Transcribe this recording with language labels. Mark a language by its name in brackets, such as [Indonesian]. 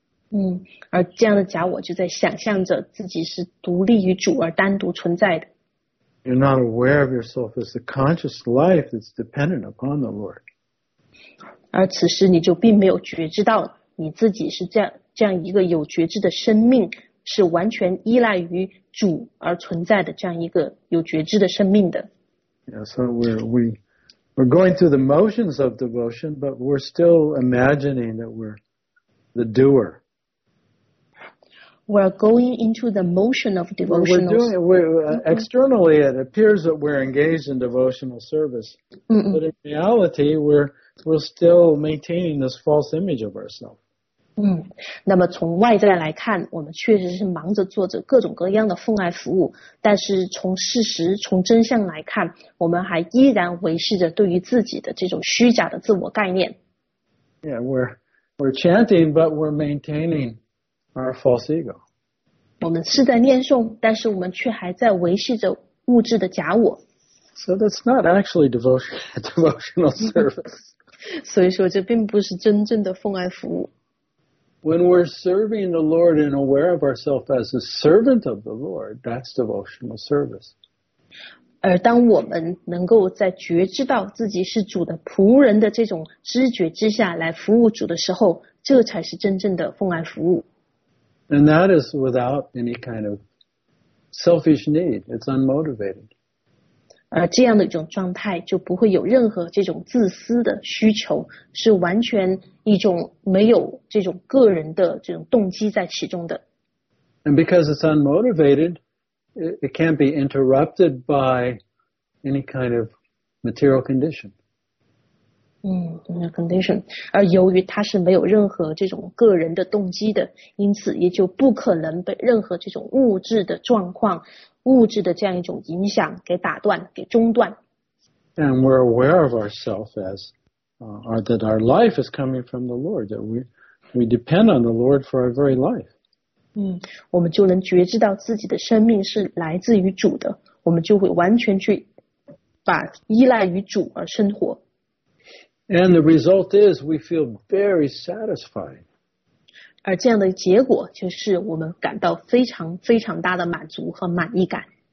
[Chinese] 嗯，而这样的假我就在想象着自己是独立于主而单独存在的。 [English] You're not aware of yourself as the conscious life that's dependent upon the Lord. [Chinese] 而此时你就并没有觉知到你自己是这样一个有觉知的生命，是完全依赖于主而存在的这样一个有觉知的生命的。 [English] Yeah, so we're going through the motions of devotion, but we're still imagining that we're the doer. We're going into the motion of devotional service. Externally, it appears that we're engaged in devotional service. Mm-mm. But in reality, we're still maintaining this false image of ourselves. [Chinese] 那么从外在来看，我们确实是忙着做着各种各样的奉爱服务，但是从事实，从真相来看，我们还依然维系着对于自己的这种虚假的自我概念。 [English] Yeah, we're chanting, but we're maintaining our false ego. [Chinese] 我们是在念诵，但是我们却还在维系着物质的假我。 [English] So that's not actually devotional service. [Chinese] 所以说这并不是真正的奉爱服务。 [English] When we're serving the Lord and aware of ourselves as a servant of the Lord, that's devotional service. [Chinese] 而当我们能够在觉知到自己是主的仆人的这种知觉之下来服务主的时候，这才是真正的奉爱服务。 [English] And that is without any kind of selfish need. It's unmotivated. [Chinese] 而这样的一种状态就不会有任何这种自私的需求，是完全一种没有这种个人的这种动机在其中的。 [English] And because it's unmotivated, it can't be interrupted by any kind of material condition. Material condition. [Chinese] 而由于它是没有任何这种个人的动机的，因此也就不可能被任何这种物质的状况、物质的这样一种影响给打断、给中断。 [English] And we're aware of ourselves as or that our life is coming from the Lord, that we depend on the Lord for our very life. [Chinese] 我们就能觉知到自己的生命是来自于主的，我们就会完全去把依赖于主而生活。 [English] And the result is we feel very satisfied. [Chinese] 而这样的结果就是我们感到非常非常大的满足和满意感。